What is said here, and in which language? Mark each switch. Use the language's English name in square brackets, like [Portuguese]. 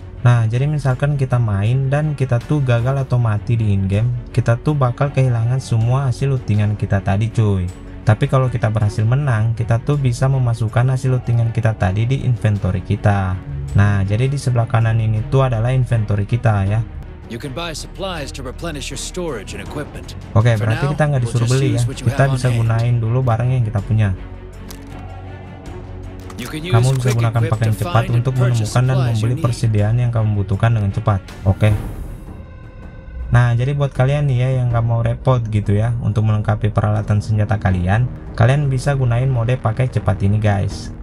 [Indonesian] Nah, jadi misalkan kita main dan kita tuh gagal atau mati di in-game, kita tuh bakal kehilangan semua hasil lootingan kita tadi cuy. Tapi kalau kita berhasil menang, kita tuh bisa memasukkan hasil lootingan kita tadi di inventory kita. Nah, jadi di sebelah kanan ini tuh adalah inventory kita ya. [English] You can buy supplies to replenish your storage and equipment. [Indonesian] Oke, berarti kita nggak disuruh beli ya. Kita bisa gunain dulu barang yang kita punya. Kamu bisa gunakan pakaian cepat untuk menemukan dan membeli persediaan yang kamu butuhkan dengan cepat. Oke. Nah, jadi buat kalian nih ya yang nggak mau repot gitu ya untuk melengkapi peralatan senjata kalian, kalian bisa gunain mode pakai cepat ini guys.